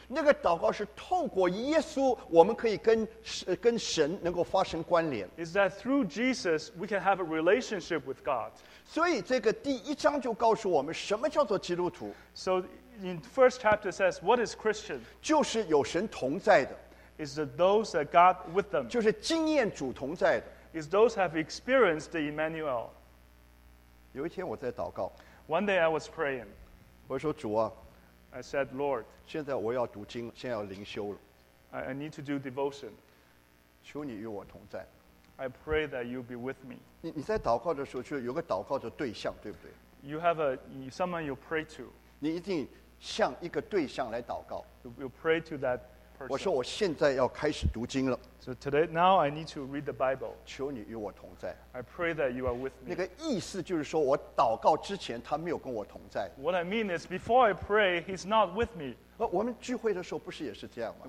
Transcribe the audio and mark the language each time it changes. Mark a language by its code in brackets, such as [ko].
[zh] 那个祷告是透过耶稣, 我们可以跟神能够发生关联。 [en] Is that through Jesus, we can have a relationship with God? [zh] 所以这个第一章就告诉我们什么叫做基督徒。 [en] So in the first chapter says, what is Christian? [zh] 就是有神同在的。 [en] Is that those that God with them? [zh] 就是经验主同在的。 [en] Is those have experienced the Emmanuel? [zh] 有一天我在祷告。 [en] One day I was praying. [zh] 我说主啊。 [en] I said, Lord. [zh] 现在我要读经, 现在要灵修了。 [en] I need to do devotion. [zh] 求你与我同在。 [en] I pray that you be with me. [zh] 你在祷告的时候就有个祷告的对象，对不对？ [en] You have someone you pray to. [zh] 你一定向一个对象来祷告。 [en] You pray to that person. [zh] 我说我现在要开始读经了。 [en] So today, now I need to read the Bible. [zh] 求你与我同在。 [en] I pray that you are with me. [zh] 那个意思就是说我祷告之前他没有跟我同在。 [en] What I mean is before I pray, he's not with me. [zh] 我们聚会的时候不是也是这样吗？